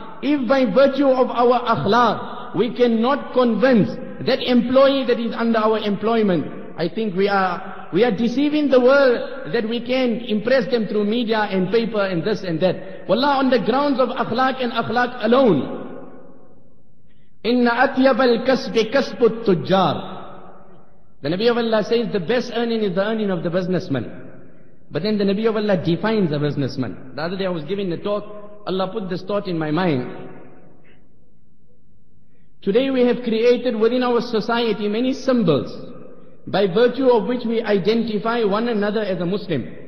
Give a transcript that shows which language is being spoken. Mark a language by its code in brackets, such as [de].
[en] If by virtue of our akhlaq, we cannot convince that employee that is under our employment, I think we are deceiving the world that we can impress them through media and paper and this and that. Wallah, on the grounds of akhlaq and akhlaq alone. [ar] إِنَّ أَطْيَبَ الْكَسْبِ كَسْبُ التُّجَّارِ. [en] The Nabi of Allah says the best earning is the earning of the businessman. But then the Nabi of Allah defines a businessman. The other day I was giving a talk, Allah put this thought in my mind. Today we have created within our society many symbols by virtue of which we identify one another as a Muslim.